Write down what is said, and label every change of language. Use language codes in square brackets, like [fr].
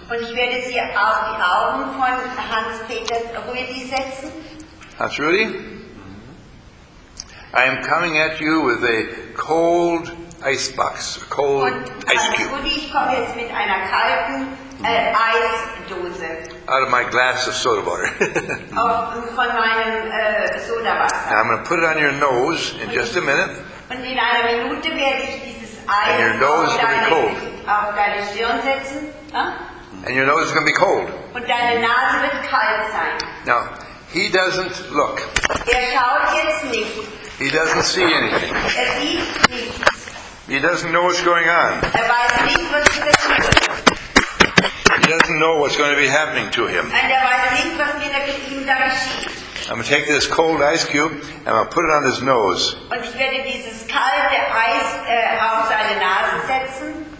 [de] Und ich werde sie auf die Augen von Hans-Peter Rudi setzen. [en] Hans Rudi, I am coming at you with a cold ice box, a cold ice cube. [de] Hans Rudi, ich komme jetzt mit einer kalten Eisdose. [en] Out of my glass of soda water. [de] Von meinem Soda Wasser. [en] Now I'm going to put it on your nose in just a minute. [de] Und in einer Minute werde ich dieses Eis [en] and your nose [de] auf, [en] will [de] deine, [en] be cold. [de] Auf deine Stirn setzen. Huh? [en] And your nose is going to be cold. [de] Und deine Nase wird kalt sein. [en] Now, he doesn't look. [de] Er schaut jetzt nicht. [en] He doesn't see anything. [de] Er sieht nichts. [en] He doesn't know what's going on. [de] Er weiß nicht, was zu tun ist. [en] He doesn't know what's going to be happening to him. [de] And er weiß nicht, was mit ihm da geschieht. [en] I'm going to take this cold ice cube and I'm going to put it on his nose. [de] Und ich werde dieses kalte Eis auf seine Nase setzen.